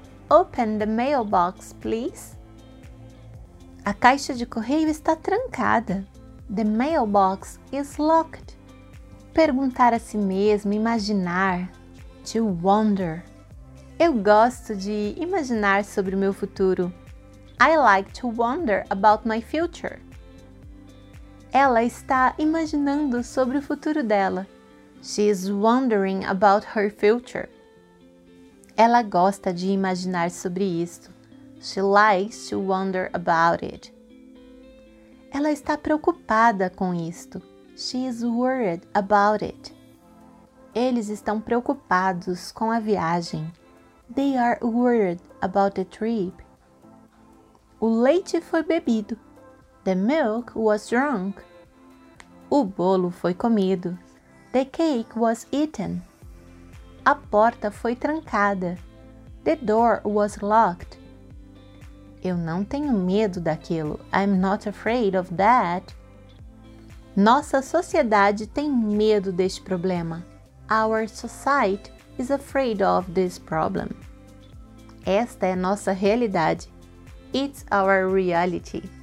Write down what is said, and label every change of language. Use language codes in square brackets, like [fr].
[en] Open the mailbox, please. [pt] A caixa de correio está trancada. [en] The mailbox is locked. [pt] Perguntar a si mesmo, imaginar. [en] To wonder. [pt] Eu gosto de imaginar sobre o meu futuro. [en] I like to wonder about my future. [pt] Ela está imaginando sobre o futuro dela. [en] She is wondering about her future. [pt] Ela gosta de imaginar sobre isso. [en] She likes to wonder about it. [pt] Ela está preocupada com isto. [en] She is worried about it. [pt] Eles estão preocupados com a viagem. [en] They are worried about the trip. [pt] O leite foi bebido. [en] The milk was drunk. [pt] O bolo foi comido. [en] The cake was eaten. [pt] A porta foi trancada. [en] The door was locked. [pt] Eu não tenho medo daquilo. [en] I'm not afraid of that. [pt] Nossa sociedade tem medo deste problema. [en] Our society is afraid of this problem. [pt] Esta é nossa realidade. [en] It's our reality.